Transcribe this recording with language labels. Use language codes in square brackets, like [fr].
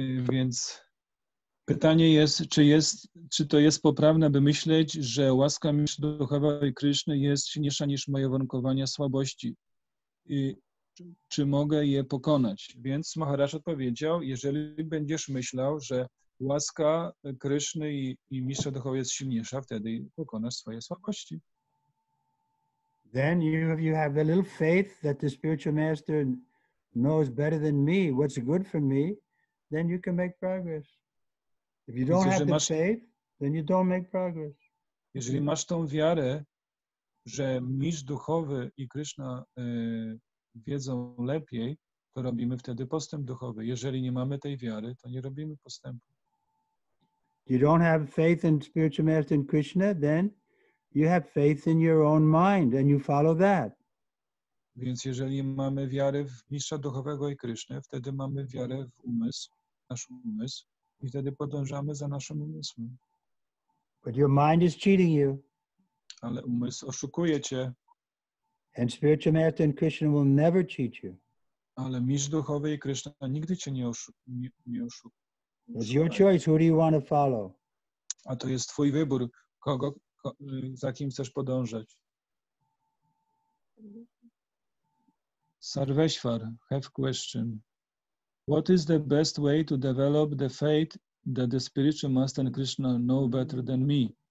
[pl] Więc pytanie jest, czy to jest poprawne, by myśleć, że łaska mistrza duchowej Kryszny jest silniejsza niż moje warunkowania słabości? I czy mogę je pokonać? Więc Maharaj odpowiedział, jeżeli będziesz myślał, że łaska Kryszny i mistrza duchowej jest silniejsza, wtedy pokonasz swoje słabości. [en] Then you have a little faith that the spiritual master knows better than me what's good for me, then you can make progress. If you don't have the faith, then you don't make progress. [pl] Jeżeli masz tą wiarę, że mistrz duchowy i Krishna wiedzą lepiej, to robimy wtedy postęp duchowy. Jeżeli nie mamy tej wiary, to nie robimy postępu. [en] You don't have faith in spiritual master and Krishna, then you have faith in your own mind and you follow that. [pl] Więc jeżeli mamy wiarę w mistrza duchowego i Krishna, wtedy mamy wiarę w umysł, nasz umysł. I wtedy podążamy za naszym umysłem. [en] But your mind is cheating you. [pl] Ale umysł oszukuje cię. [en] And spiritual master and Krishna will never cheat you. [pl] Ale mistrz duchowy i Krishna nigdy cię nie oszukują. [en] It's your choice, who do you want to follow? [pl] A to jest twój wybór, za kim chcesz podążać. [en] Sarveshwar, have question. What is the best way to develop the faith that the spiritual master and Krishna know better than me?